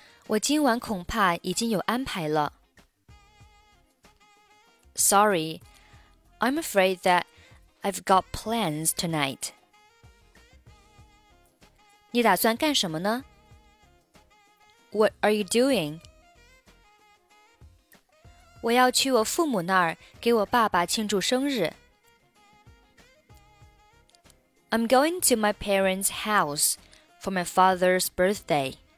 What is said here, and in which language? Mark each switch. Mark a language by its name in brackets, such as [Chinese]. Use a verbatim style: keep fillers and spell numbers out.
[Chinese] 我今晚恐怕已经有安排了。 [English] Sorry, I'm afraid that I've got plans tonight. [Chinese] 你打算干什么呢？ [English] What are you doing? [Chinese] 我要去我父母那儿给我爸爸庆祝生日。 [English] I'm going to my parents' house for my father's birthday.